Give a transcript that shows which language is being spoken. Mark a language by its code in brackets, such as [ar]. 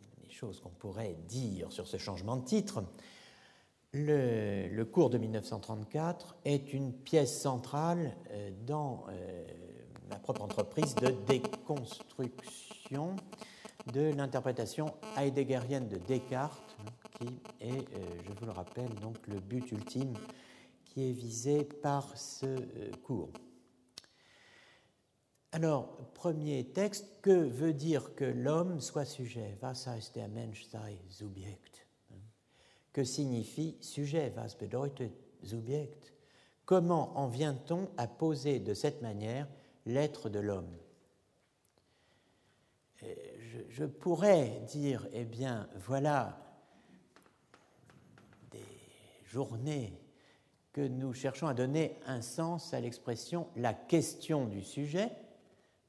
[fr] chose qu'on pourrait dire sur ce changement de titre, le cours de 1934 est une pièce centrale dans ma propre entreprise de déconstruction de l'interprétation heideggerienne de Descartes, qui est, je vous le rappelle, donc le but ultime qui est visé par ce cours. Alors, premier texte, que veut dire que l'homme soit sujet? [de] Was heißt der Mensch sei Subjekt? [fr] Que signifie sujet? [de] Was bedeutet Subjekt? [fr] Comment en vient-on à poser de cette manière l'être de l'homme? Je pourrais dire, eh bien, voilà des journées que nous cherchons à donner un sens à l'expression « la question du sujet ».